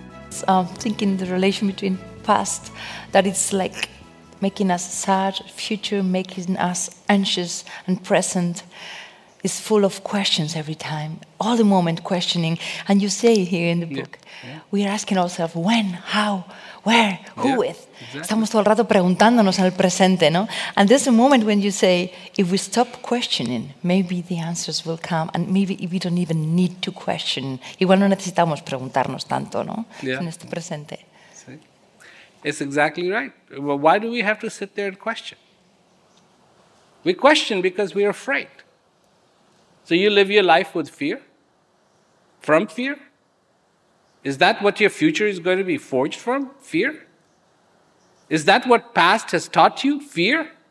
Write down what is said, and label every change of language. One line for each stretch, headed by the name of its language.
English: So I'm thinking the relation between past, that it's like making us sad, future making us anxious, and present is full of questions every time, all the moment questioning. And you say here in the book, we're asking ourselves when, how, where, who with. Exactly.
Spanish: Estamos todo el rato preguntándonos en el presente, ¿no?
English: And there's a moment when you say, if we stop questioning, maybe the answers will come, and maybe we don't even need to question.
Spanish: Igual no necesitamos preguntarnos tanto, ¿no?
English: Yeah.
Spanish: En este presente.
English: See? It's exactly right. Well, why do we have to sit there and question? We question because we're afraid. So you live your life with fear? From fear? Is that what your future is going to be forged from? Fear? Is that what past has taught you? Fear?